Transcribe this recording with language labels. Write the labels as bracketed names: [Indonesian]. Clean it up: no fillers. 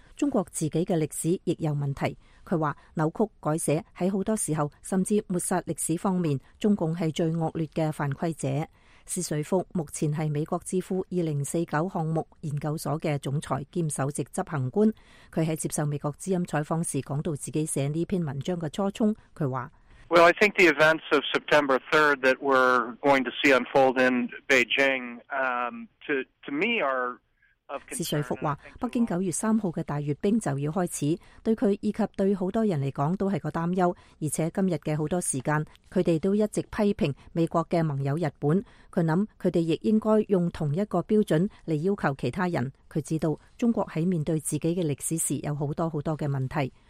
[Chinese] 中国自己的历史亦有问题。他说扭曲改写在很多时候甚至抹杀历史方面，中共是最恶劣的犯规者。施瑞福目前是美国智库2049项目研究所的总裁兼首席执行官。他在接受美国之音采访时讲到自己写这篇文章的初衷。他说 [English] Well, I think the events of September 3rd that we're going to see unfold in Beijing, to me are of concern. [Chinese] 施瑞福说北京9月3号的大阅兵就要开始，对他以及对很多人来讲都是个担忧，而且今日的很多时间他们都一直批评美国的盟友日本，他想他们亦应该用同一个标准来要求其他人。他知道中国在面对自己的历史时有很多很多的问题。